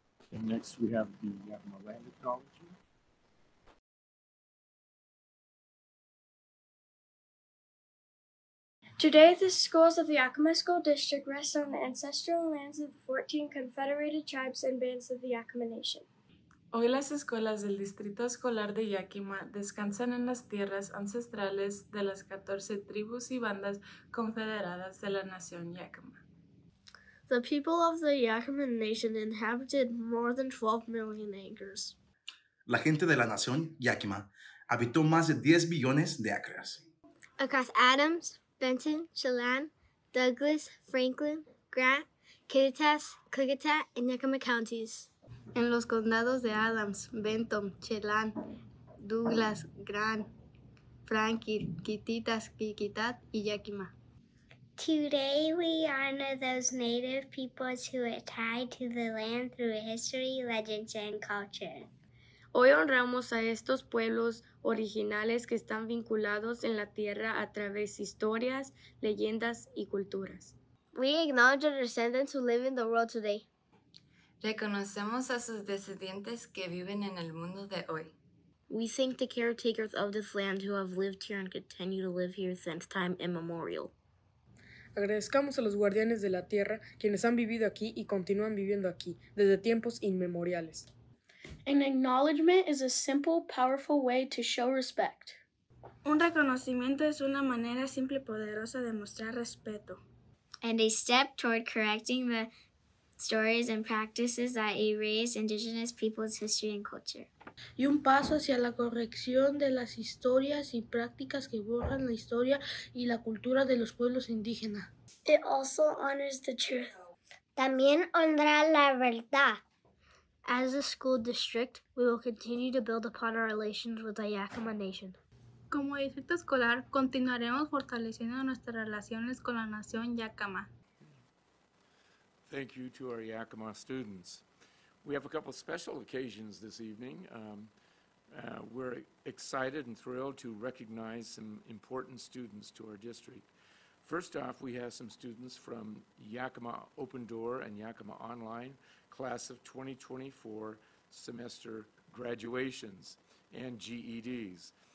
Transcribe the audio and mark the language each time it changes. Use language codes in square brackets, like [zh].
[en] Next, we have the Yakima Land Acknowledgement. Today, the schools of the Yakima School District rest on the ancestral lands of the 14 Confederated Tribes and Bands of the Yakima Nation. [es] Hoy, las escuelas del Distrito Escolar de Yakima descansan en las tierras ancestrales de las 14 tribus y bandas confederadas de la Nación Yakima. [en] The people of the Yakima Nation inhabited more than 12 million acres. [es] La gente de la nación Yakima habitó más de 10 billones de acres. [en] Across Adams, Benton, Chelan, Douglas, Franklin, Grant, Kittitas, Klickitat, and Yakima counties. [es] En los condados de Adams, Benton, Chelan, Douglas, Grant, Franklin, Kittitas, Klickitat, y Yakima. [en] Today, we honor those native peoples who are tied to the land through history, legends, and culture. [es] Hoy honramos a estos pueblos originales que están vinculados en la tierra a través de historias, leyendas, y culturas. [en] We acknowledge our descendants who live in the world today. [es] Reconocemos a sus descendientes que viven en el mundo de hoy. [en] We thank the caretakers of this land who have lived here and continue to live here since time immemorial. [es] Agradezcamos a los guardianes de la tierra, quienes han vivido aquí y continúan viviendo aquí, desde tiempos inmemoriales. [en] An acknowledgement is a simple, powerful way to show respect. [es] Un reconocimiento es una manera simple y poderosa de mostrar respeto. [en] And a step toward correcting the stories and practices that erase indigenous people's history and culture. [es] Y un paso hacia la corrección de las historias y prácticas que borran la historia y la cultura de los pueblos indígenas. [en] It also honors the truth. [es] También honra la verdad. [en] As a school district, we will continue to build upon our relations with the Yakima Nation. [es] Como distrito escolar, continuaremos fortaleciendo nuestras relaciones con la nación Yakima. [en] Thank you to our Yakima students. We have a couple special occasions this evening. We're excited and thrilled to recognize some important students to our district. First off, we have some students from Yakima Open Door and Yakima Online, class of 2024 semester graduations and GEDs.